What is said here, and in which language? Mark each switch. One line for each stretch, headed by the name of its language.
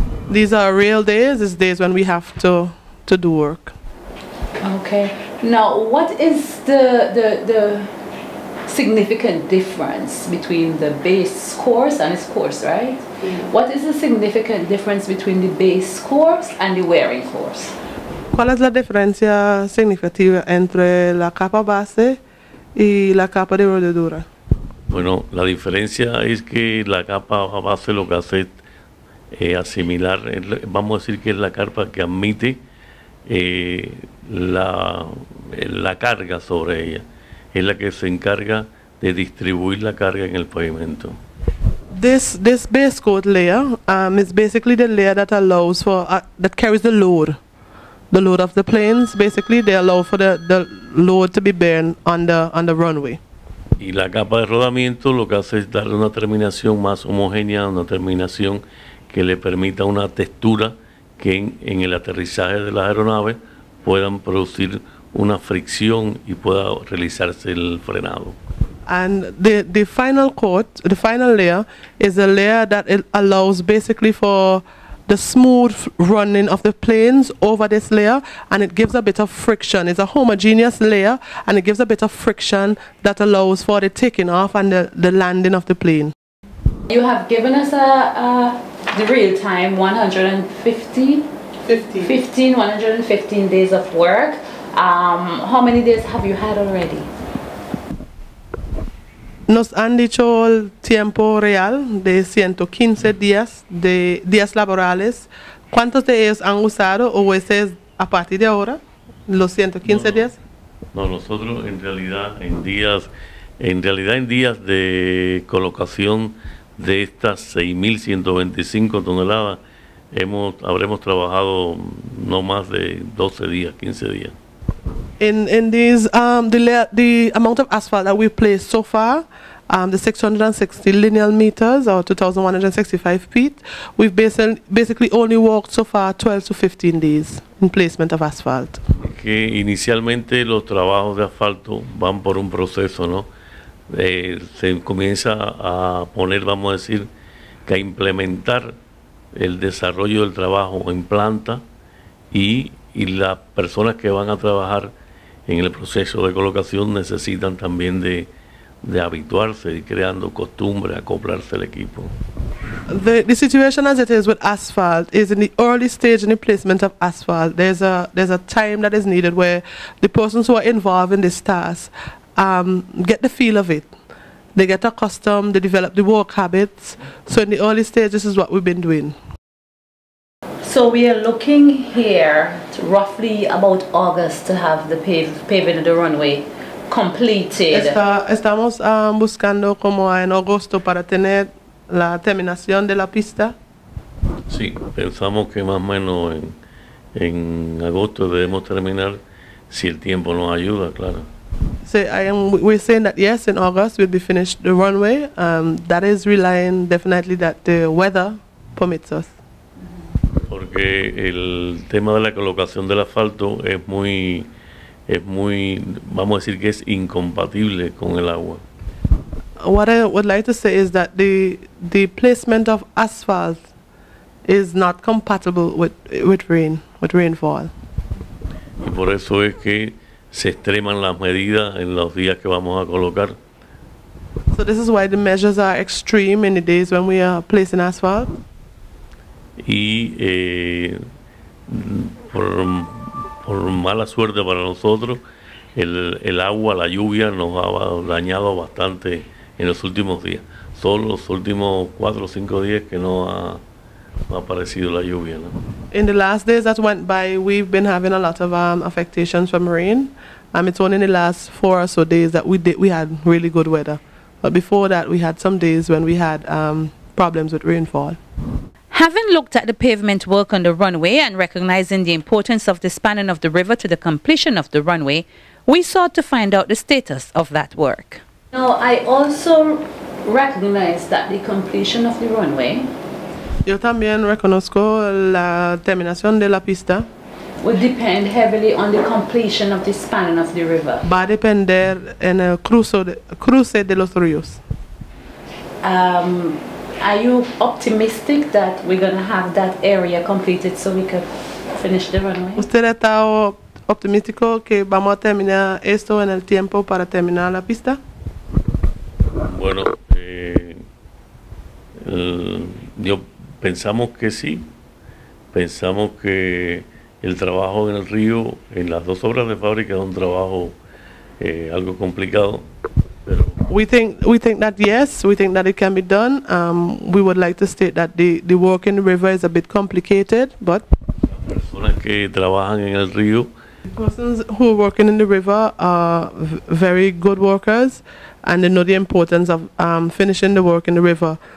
English: These are real days, it's days when we have to do work. Okay. Now, what is the significant difference between the base course and its course, right? What is the significant difference between the base course and the wearing course?
Spanish: ¿Cuál es la diferencia significativa entre la capa base y la capa de rodadura? Bueno, la diferencia es que la capa base lo que hace es asimilar, vamos a decir que es la capa que admite la carga sobre ella. Es la que se encarga de distribuir la carga en el pavimento.
English: This base coat layer is basically the layer that allows for that carries the load of the planes. Basically, they allow for the load to be borne on the runway.
Spanish: Y la capa de rodamiento lo que hace es dar una terminación más homogénea, una terminación que le permita una textura que en el aterrizaje de las aeronaves puedan producir una fricción y pueda realizarse el frenado.
English: And the final coat, the final layer, is a layer that it allows basically for the smooth running of the planes over this layer, and it gives a bit of friction. It's a homogeneous layer, and it gives a bit of friction that allows for the taking off and the landing of the plane. You have given us the real time, 115 days of work. How many days have you had already?
Spanish: Nos han dicho el tiempo real de 115 días laborales. ¿Cuántos de ellos han usado o ese es a partir de ahora, los 115 días? No, nosotros en realidad en días de colocación de estas 6.125 toneladas habremos trabajado no más de 12 días, 15 días.
English: In these the amount of asphalt that we've placed so far, the 660 lineal meters or 2,165 feet, we've basically only worked so far 12 to 15 days in placement of asphalt.
Spanish: Que inicialmente los trabajos de asfalto van por un proceso, ¿no? Se comienza a poner, vamos a decir, que a implementar el desarrollo del trabajo en planta y las personas que van a trabajar en el proceso de colocación necesitan también de habituarse y creando costumbre, acoplarse al equipo.
English: The situation as it is with asphalt is in the early stage in the placement of asphalt. There's a time that is needed where the persons who are involved in this task get the feel of it. They get accustomed, they develop the work habits. So in the early stage, this is what we've been doing. So we are looking here to roughly about August to have the paving of the runway completed.
Spanish: Estamos buscando como en agosto para tener la terminación de la pista. Sí, pensamos que más o menos en agosto debemos terminar si el tiempo nos ayuda, claro.
English: We're saying that yes, in August we'll be finished the runway. That is relying definitely that the weather permits us.
Spanish: Porque el tema de la colocación del asfalto es muy, vamos a decir que es incompatible con el agua.
English: What I would like to say is that the placement of asphalt is not compatible with rainfall.
Spanish: Y por eso es que se extreman las medidas en los días que vamos a colocar.
English: So this is why the measures are extreme in the days when we are placing asphalt.
Spanish: Y por mala suerte para nosotros, el agua, la lluvia nos ha dañado bastante en los últimos días. Solo los últimos 4 o 5 días que no ha aparecido la lluvia, ¿no?
English: In the last days that went by, we've been having a lot of affectations from rain. It's only in the last 4 or so days that we had really good weather. But before that, we had some days when we had problems with rainfall. Having looked at the pavement work on the runway and recognizing the importance of the spanning of the river to the completion of the runway, we sought to find out the status of that work. Now, I also recognize that the completion of the runway.
Spanish: Yo también reconozco la terminación de la pista.
English: Will depend heavily on the completion of the spanning of the river.
Spanish: Va a depender en el cruce de los ríos.
English: Are you optimistic that we're going to have that area completed so we could finish the runway?
Spanish: ¿Usted está optimístico que vamos a terminar esto en el tiempo para terminar la pista? Bueno, yo pensamos que sí. Pensamos que el trabajo en el río, en las dos obras de fábrica, es un trabajo algo complicado.
English: We think that yes, we think that it can be done. We would like to state that the work in the river is a bit complicated, but
Spanish: personas que trabajan en el río,
English: persons who are working in the river are very good workers and they know the importance of finishing the work in the river.